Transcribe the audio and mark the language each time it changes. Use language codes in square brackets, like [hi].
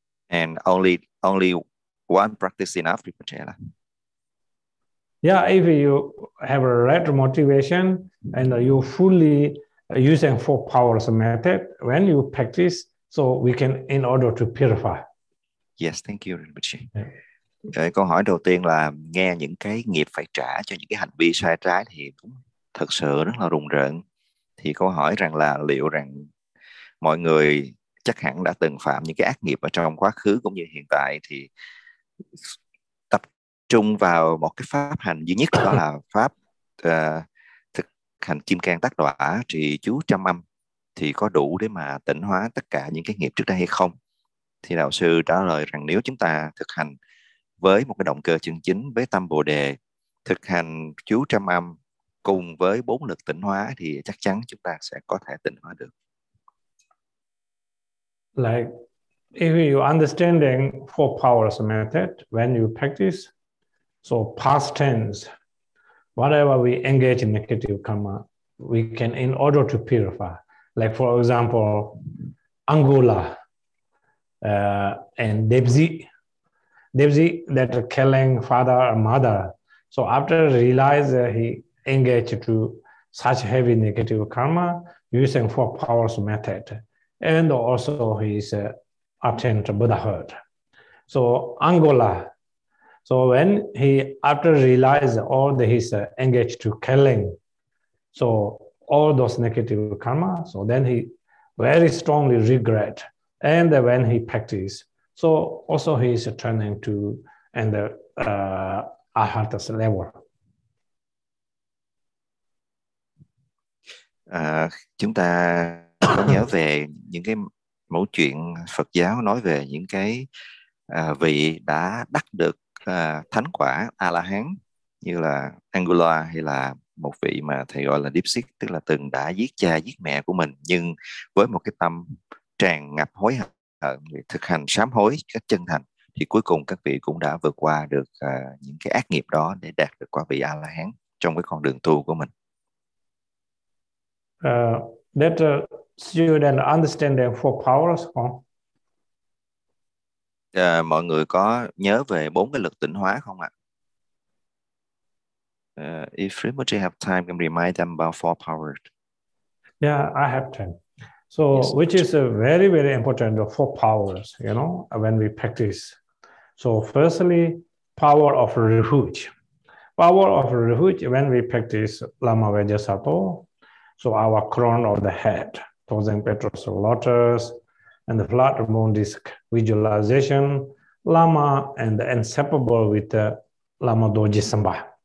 [en] And only one practice enough, Rinpoche. Yeah, if you have a right motivation and you fully using four powers method, when you practice, so we can in order to purify. Yes, thank you, Rinpoche. [vi] Câu hỏi đầu tiên là nghe những cái nghiệp phải trả cho những cái hành vi sai trái thì cũng thật sự rất là rùng rợn. Thì câu hỏi rằng là liệu rằng mọi người chắc hẳn đã từng phạm những cái ác nghiệp ở trong quá khứ cũng như hiện tại, thì tập trung vào một cái pháp hành duy nhất đó là pháp thực hành chim can tác đọa trì chú trăm âm thì có đủ để mà tỉnh hóa tất cả những cái nghiệp trước đây hay không? Thì đạo sư trả lời rằng nếu chúng ta thực hành với một cái động cơ chân chính, với tâm Bồ Đề, thực hành chú trăm âm cùng với bốn lực tỉnh hóa thì chắc chắn chúng ta sẽ có thể tỉnh hóa được. [en] Like, if you understand the four powers method, when you practice, so past tense, whatever we engage in negative karma, we can in order to purify. Like, for example, Angola and Debzi. Debzi, that killing father or mother. So after realize he engaged to such heavy negative karma using four powers method, and also his attained Buddhahood. So Angola, so when he after realize all the his engaged to killing, so all those negative karma, so then he very strongly regret, and when he practice, so also he is turning to and the Arhat's level. [vi] Chúng ta có nhớ về những cái mẫu chuyện Phật giáo nói về những cái vị đã đắc được thánh quả A-la-hán như là Angola, hay là một vị mà thầy gọi là Deep Sick, tức là từng đã giết cha giết mẹ của mình nhưng với một cái tâm tràn ngập hối hận, thực hành sám hối cách chân thành, thì cuối cùng các vị cũng đã vượt qua được những cái ác nghiệp đó để đạt được quả vị A-la-hán trong cái con đường tu của mình. [en] That student understand the four powers. [vi] Mọi người có nhớ về bốn cái lực tỉnh hóa không ạ? [en] If Rinpoche have time, can remind them about four powers. Yeah, I have time. So, yes. Which is a very, very important, the four powers, you know, when we practice. So, firstly, power of refuge. Power of refuge, when we practice Lama Vajrasattva, so our crown of the head, thousand petals of lotus, and the flat moon disc visualization, Lama, and the inseparable with the Lama Dorje Senpa.